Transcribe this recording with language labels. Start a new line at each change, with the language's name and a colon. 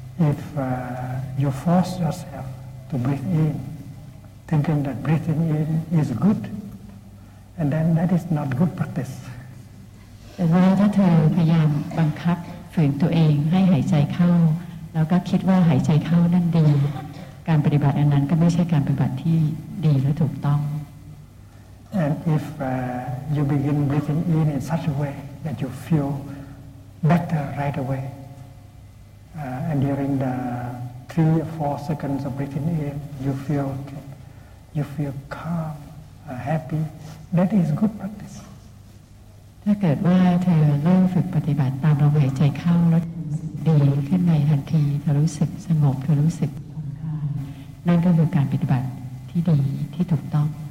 English: If you force yourself to breathe in. Thinking that breathing in is good, and then that is not good practice.
Thai: แต่ว่าถ้าเธอพยายามบังคับฝืนตัวเองให้หายใจเข้าแล้วก็คิดว่าหายใจเข้านั่นดีการปฏิบัติอันนั้นก็ไม่ใช่การปฏิบัติที่ดีและถูกต้อง
English: And if you begin breathing in such a way that you feel better right away, and during the 3 or 4 seconds of breathing in, you feel okay. You feel calm, happy. That is good practice.
Thai: ถ้าเกิดว่าเธอเริ่มฝึกปฏิบัติตามลมหายใจเข้าแล้วดีขึ้นในทันทีเธอรู้สึกสงบเธอรู้สึกผ่อนคลายนั่นก็คือการปฏิบัติที่ดีที่ถูกต้อง